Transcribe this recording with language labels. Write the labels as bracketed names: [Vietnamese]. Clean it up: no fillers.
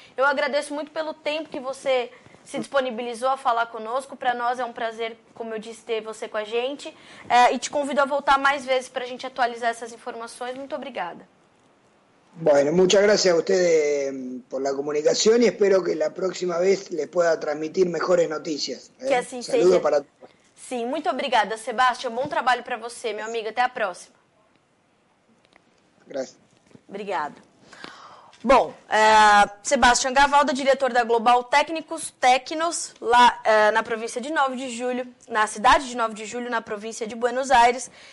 [Portuguese] Eu agradeço muito pelo tempo que você se disponibilizou a falar conosco. Para nós é um prazer, como eu disse, ter você com a gente. E te convido a voltar mais vezes para a gente atualizar essas informações. Muito obrigada. [Spanish] Bueno, muchas gracias a ustedes por la comunicación y espero que la próxima vez les pueda transmitir mejores noticias. [Portuguese] Que assim seja. [Spanish] Saludos para todos. [Portuguese] Sim, muito obrigada, Sebastião. Bom trabalho para você, meu amigo. Até a próxima. Graças. Obrigada. Bom, Sebastião Gavalda, diretor da Global Técnicos Tecnos, lá na província de 9 de julho, na cidade de 9 de julho, na província de Buenos Aires.